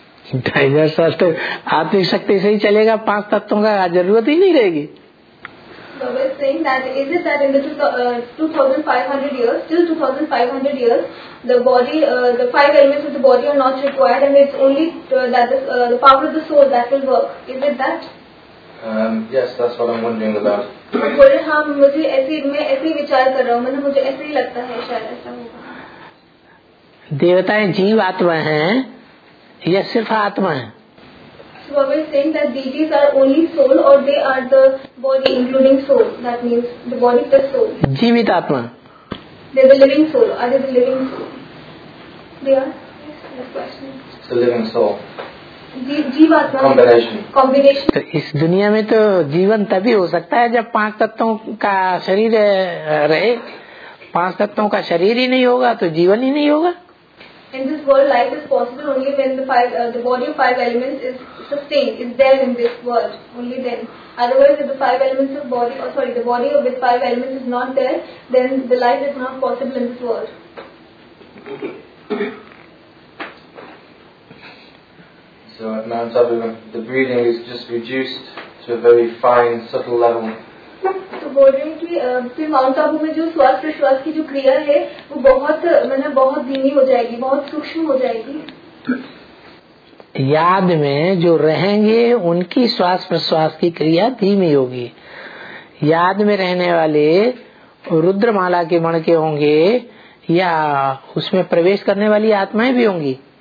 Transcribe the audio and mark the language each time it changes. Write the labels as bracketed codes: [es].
[hi] 2,500 साल तक आत्मिक शक्ति से ही चलेगा पांच तत्वों का जरूरत ही नहीं रहेगी [en] Baba is saying that is it that in the 2,500 years till 2,500 years the body the five elements of the body are not required and it's only that is the power of the soul that will work is it that yes that's what I'm wondering about [hi] बोले हाँ मुझे ऐसे मैं ऐसे ही विचार कर रहा हूँ मतलब मुझे ऐसे ही लगता है शायद ऐसा होगा देवताएं जीव आत्मा हैं या सिर्फ आत्मा है [en] Baba is saying that deities are only soul or they are the body including soul. That means the body plus soul. [hi] Jeevit Atma. [en] They are the living soul. Are they the living soul? They are? Yes, that question. It's a living soul. [hi] Jeevatma. [en] Combination. [hi] तो इस दुनिया में तो जीवन तभी हो सकता है जब पांच तत्वों का शरीर रहे पांच तत्वों का शरीर ही नहीं होगा तो जीवन ही नहीं होगा [en] In this world, life is possible only when the body of five elements is sustained, is there in this world. Only then. Otherwise, if the five elements of body, or sorry, the body of with five elements is not there, then the life is not possible in this world. so at Mount Abu, the breathing is just reduced to a very fine, subtle level. [hi] तो बोल रहे हैं कि फिर mount Abu में जो श्वास प्रश्वास की जो क्रिया है वो बहुत मैंने बहुत धीमी हो जाएगी, बहुत सूक्ष्म हो जाएगी. याद में जो रहेंगे उनकी श्वास प्रश्वास की क्रिया धीमी होगी. याद में रहने वाले रुद्रमाला के मण के होंगे या उसमें प्रवेश करने वाली आत्माएं भी होंगी.